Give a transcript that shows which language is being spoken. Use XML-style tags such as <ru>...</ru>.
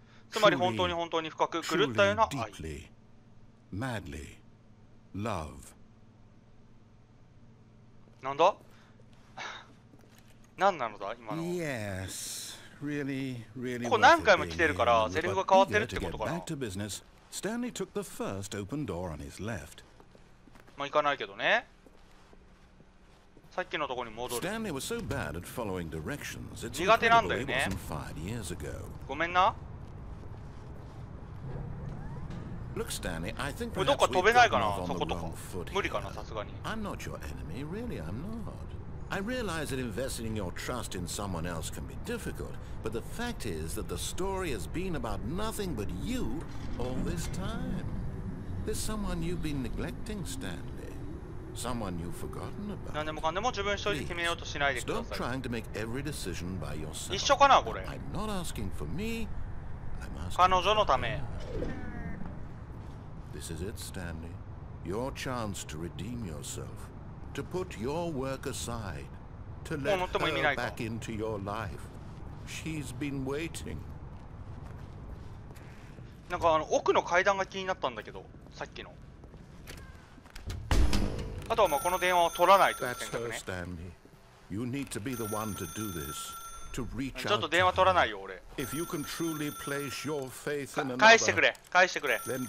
<ja>つまり本当に本当に深く狂ったような愛。</ja> <en>Deeply, madly, love.</en> <ja>なんだ何なのだ今の。</ja> <en>Yes, really, really</en> <ja>ここ何回も来てるからセリフが変わってるってことかな。</ja> <en>Back to business, Stanley took the first open door on his left.</en> <ja>まあ行かないけどね。さっきのところに戻る。</ja> <en>Stanley was so bad at following directions.</en> <ja>苦手なんだよね。ごめんな。</ja> <en>Look, Stanley, I think</en> <ja>どっか飛べないかな、そことか。無理かな、さすがに。</ja> <en>I'm not your enemy, really, I'm not. I realize that investing your trust in someone else can be difficult, but the fact is that the story has been about nothing but you all this time. There's someone you've been neglecting, Stanley. Someone you've forgotten about.</en> <ja>何でもかんでも自分一人で決めようとしないでください。</ja> <en>Stop trying to make every decision by yourself.</en> <ja>一緒かなこれ。</ja> <en>I'm not asking for me. I'm asking</en> <ja>彼女のため。</ja> <en>This is it, Stanley. Your chance to redeem yourself. To put your work aside. To let her back into your life. She's been waiting.</en> <ja>なんかあの奥の階段が気になったんだけど、さっきの。あとはまあこの電話を取らないという選択ね。ちょっと電話取らないよ俺。返してくれ、返してくれ。</ja>